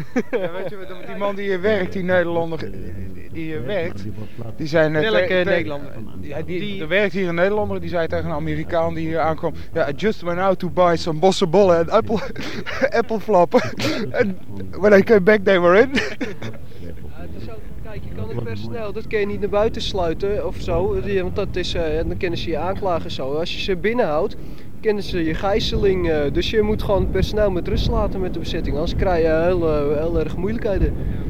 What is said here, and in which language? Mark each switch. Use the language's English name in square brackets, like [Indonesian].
[Dutch] Ja, weet je, die man die hier werkt, die Nederlander, die hier werkt, die zijn Nederlander. Ja, er werkt hier een Nederlander, die zei tegen een Amerikaan die hier aankwam, ja, [English] I just went out to buy some bossenbollen en apple flappen. En when I came back, they were in. [Dutch] Kijk, je kan het personeel, dat kun je niet naar buiten sluiten of zo, want dat is, dan kunnen ze je aanklagen zo. Als je ze binnenhoudt, kennen ze je gijzeling, dus je moet gewoon personeel met rust laten met de bezetting, anders krijg je heel erg moeilijkheden.